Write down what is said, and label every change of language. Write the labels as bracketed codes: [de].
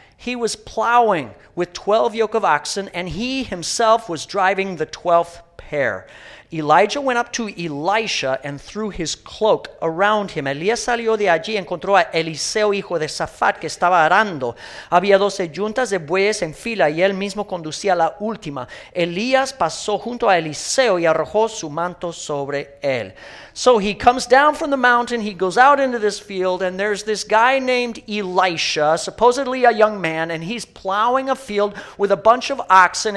[en] He was plowing with 12 yoke of oxen, and he himself was driving the 12th pair. Elijah went up to Elisha and threw his cloak around him. [es] Elías salió de allí y encontró a Eliseo, hijo de Safat, que estaba arando. Había 12 yuntas de bueyes en fila y él mismo conducía la última. Elías pasó junto a Eliseo y arrojó su manto sobre él. [en] So he comes down from the mountain, he goes out into this field, and there's this guy named Elisha, supposedly a young man, and he's plowing a field with a bunch of oxen.